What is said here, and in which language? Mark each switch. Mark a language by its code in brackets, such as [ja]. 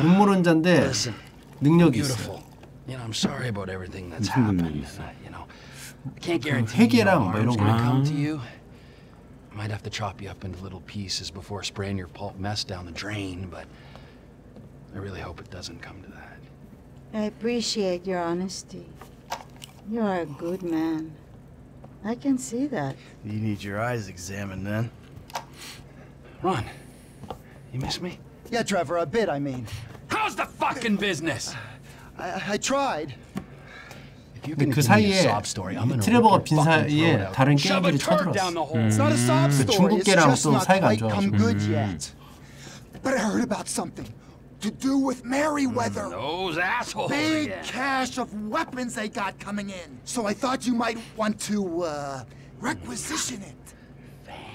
[ko] 음모론자인데 능력이 있어. [en] You know, I'm sorry about everything that's happened. You know, I can't guarantee your arms are gonna come to you. I might have to chop you up into little pieces before spraying your pulp mess down the drain, but I really hope it doesn't come to that. I appreciate your honesty. You are a good man. I can see that. You need your eyes examined, then. Ron, you miss me? Yeah, Trevor, a bit, I mean. How's the fucking business? I tried. [ko] 그 사이에 트레버가 빈 사이에 다른 게임들이 쳐들었어. 그 중국계랑 또 사이가 안 좋아. [en] But I heard about something to do with Meriwether. Those assholes. Big cache of weapons they got coming in. So I thought you might want to requisition it.